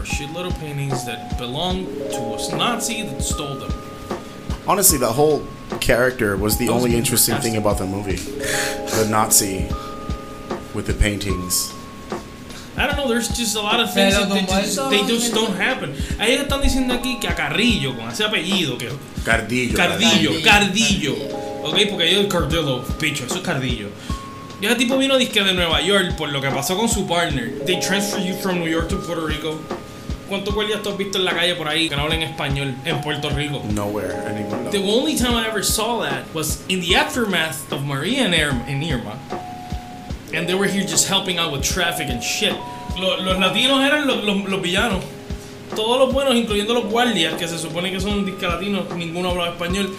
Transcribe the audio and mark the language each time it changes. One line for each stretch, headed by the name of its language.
English: Shitload of paintings that belonged to a Nazi that stole them. Honestly, the whole character was the only interesting thing about the movie. The Nazi with the paintings. I don't know, there's just a lot of things that they just don't happen.
Spanish: Ahí están diciendo aquí que a Carrillo, con ese apellido, que... Cardillo. Ok, porque yo el Cardillo, picho, eso es Cardillo. Y ese tipo vino disque de Nueva York por lo que pasó con su partner.
English: They transfer you from New York to Puerto Rico.
Spanish: ¿Cuántos guardias tú has visto en la calle por ahí que no hablan español en Puerto Rico?
English: Nowhere, anywhere. The only time I ever saw that was in the aftermath of Maria and Irma. And they were here just helping out with traffic and shit.
Spanish: Los latinos eran los villanos. Todos los buenos, incluyendo los guardias, que se supone que son disque latinos, ninguno hablaba español.